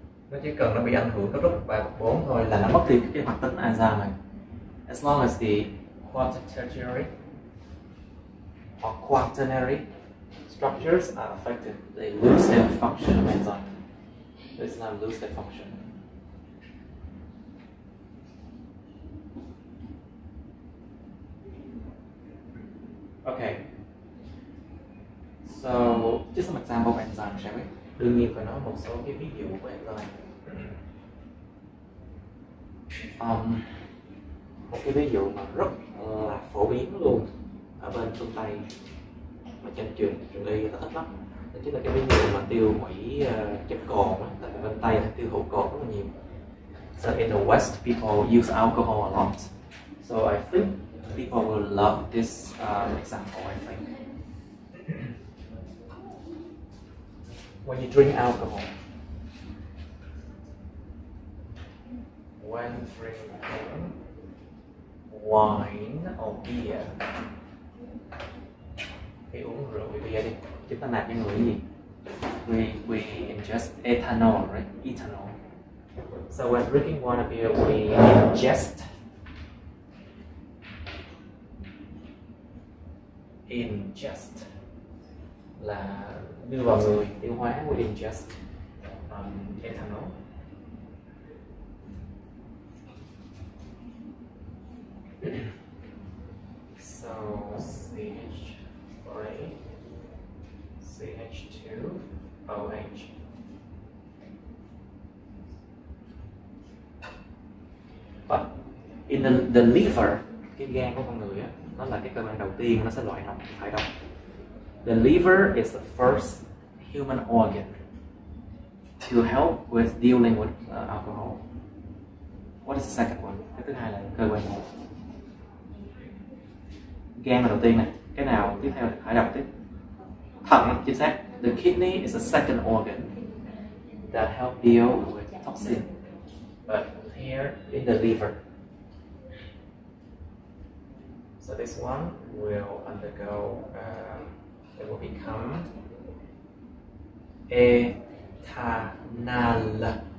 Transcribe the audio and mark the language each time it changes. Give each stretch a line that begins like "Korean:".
Vietnamese: Nó chỉ cần nó bị ảnh hưởng cấu trúc bậc 3, bậc 4 thôi là nó mất đi cái hoạt tính enzyme này.
English: As long as the quaternary or quaternary structures are affected, they lose their function of enzyme. They just not lose their function. Okay. So, just some example of enzyme, shall we?
Vietnamese: Đương nhiên phải nói một số cái ví dụ của enzyme. Một cái ví dụ mà rất là phổ biến luôn ở bên phương Tây mà trên trường trường y ta thích lắm, đó chính là cái ví dụ mà tiêu hủy chất cồn á. Tại bên Tây tiêu thụ cồn rất là nhiều.
English: So in the West people use alcohol a lot, so I think people will love this example. I think when you drink alcohol, when drinking wine or beer,
Vietnamese: khi uống rượu với bia đi, chúng ta nạp cái người gì?
English: We ingest ethanol, right? Ethanol. So when drinking wine or beer, we ingest
Vietnamese: là đưa vào người tiêu hóa.
English: We ingest ethanol. So CH3 CH2 OH. But in the liver,
Vietnamese: cái gan của con người á, nó là cái cơ quan đầu tiên nó sẽ loại độc thải độc.
English: The liver is the first human organ to help with dealing with alcohol. What is the second one?
Vietnamese: Cái thứ hai là cơ quan nào? Gan là đầu tiên này, cái nào tiếp theo? Hãy đọc tiếp. Thận, chính xác.
English: The kidney is the second organ that help deal with toxin. But here in the liver, so this one will undergo, it will become ethanol.